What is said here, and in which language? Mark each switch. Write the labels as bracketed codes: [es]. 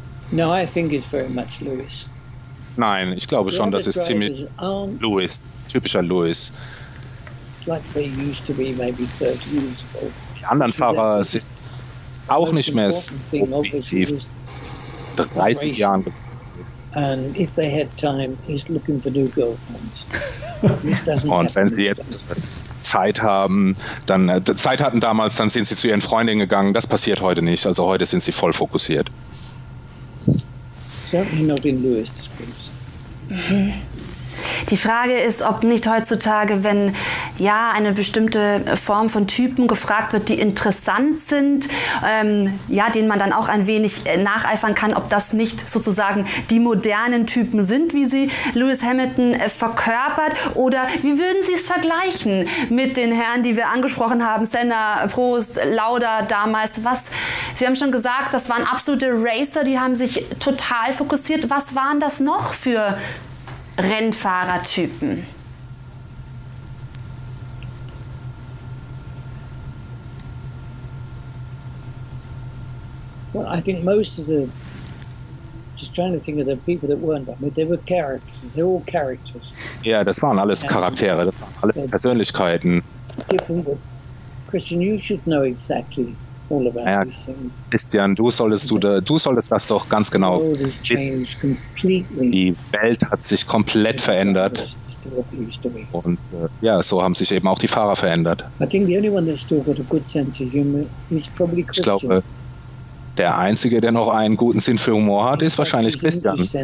[en] No, I think it's very much Lewis. [de] Nein, ich glaube schon, das ist ziemlich Lewis, typischer Lewis. [en] Like they used to be maybe 30 years ago. [de] Die anderen Fahrer sind auch nicht mehr so offensiv. 30 Jahren. [en] And if they had time, he's looking for new girlfriends. [de] Und wenn sie jetzt Zeit haben, dann Zeit hatten damals, dann sind sie zu ihren Freundinnen gegangen. Das passiert heute nicht. Also heute sind sie voll fokussiert. [en] Certainly not in Lewis. [de] Die Frage ist, ob nicht heutzutage, wenn ja eine bestimmte Form von Typen gefragt wird, die interessant sind, ja, denen man dann auch ein wenig nacheifern kann, ob das nicht sozusagen die modernen Typen sind, wie sie Lewis Hamilton verkörpert. Oder wie würden Sie es vergleichen mit den Herren, die wir angesprochen haben, Senna, Prost, Lauda damals? Was, Sie haben schon gesagt, das waren absolute Racer, die haben sich total fokussiert. Was waren das noch für Rennfahrertypen? [en] Well, I think most of the, just trying to think of the people that weren't, I mean, they were characters, they're all characters. [de] Ja, das waren alles Charaktere, das waren alles Persönlichkeiten. [en] Different. Christian, you should know exactly all about [de] ja, [en] these things. [de] Christian, du solltest das doch ganz genau wissen. Die Welt hat sich komplett verändert. Und ja, so haben sich eben auch die Fahrer verändert. [en] I think the only one that's still got a good sense of humor is probably Christian. [de] Ich glaube, der Einzige, der noch einen guten Sinn für Humor hat, ist wahrscheinlich Christian.